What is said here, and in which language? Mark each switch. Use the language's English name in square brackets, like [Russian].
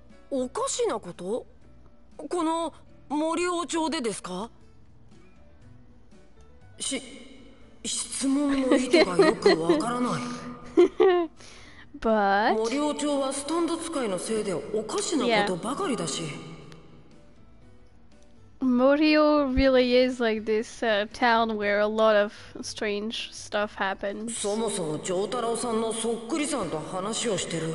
[Japanese] おかしなこと？この森王朝でですか？質問の意図がよくわからない。 [English] But... [Japanese] 森王朝はスタンド使いのせいでおかしなことばかりだし。 [English] Morio really is like this town where a lot of strange stuff happens. [Japanese] そもそもジョータロウさんのそっくりさんと話をしてる。